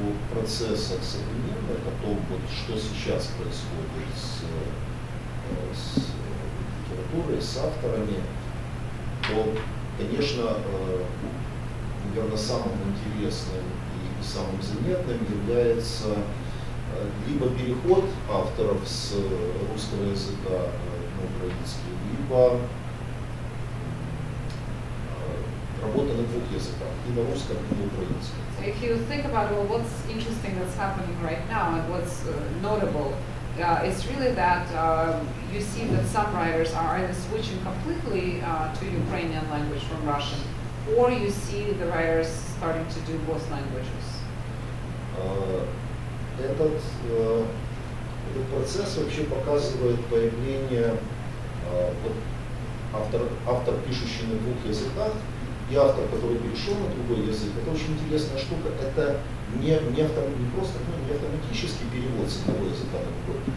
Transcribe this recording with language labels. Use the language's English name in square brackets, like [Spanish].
[Russian] Процессах современных, о том, вот, что сейчас происходит с литературой, с авторами, то, конечно, наверное, самым интересным и самым заметным является либо переход авторов с русского языка на украинский, либо работа на двух языках, и на русском, и на украинском. [English] If you think about, well, what's interesting that's happening right now and what's notable, it's really that you see that some writers are either switching completely to Ukrainian language from Russian, or you see the writers starting to do both languages. [Russian] Этот этот процесс вообще показывает появление вот автор, пишущий на двух языках, и автор, который перешел на другой язык. Это очень интересная штука. Это не автоматический перевод с одного языка на другой.